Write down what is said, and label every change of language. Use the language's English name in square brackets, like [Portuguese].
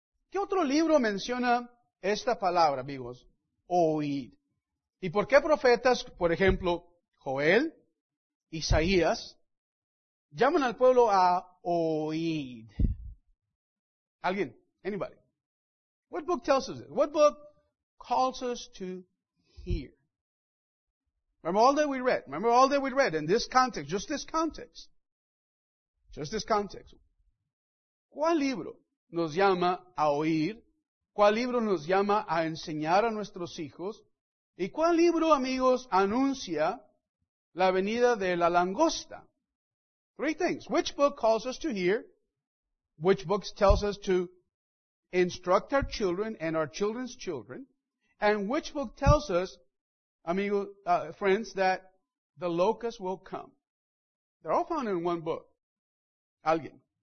[Spanish] ¿Qué otro libro menciona esta palabra, amigos? Oíd. ¿Y por qué profetas, por ejemplo, Joel, Isaías, llaman al pueblo a oíd? ¿Alguien? [English] ¿Anybody? What book tells us this? What book calls us to hear? Remember all that we read in this context, just this context. Just this context. [Spanish] ¿Cuál libro nos llama a oír? ¿Cuál libro nos llama a enseñar a nuestros hijos? ¿Y cuál libro, amigos, anuncia la venida de la langosta? [English] Three things. Which book calls us to hear? Which book tells us to instruct our children and our children's children? And which book tells us, amigos, friends, that the locust will come? They're all found in one book. [Spanish] Alguien.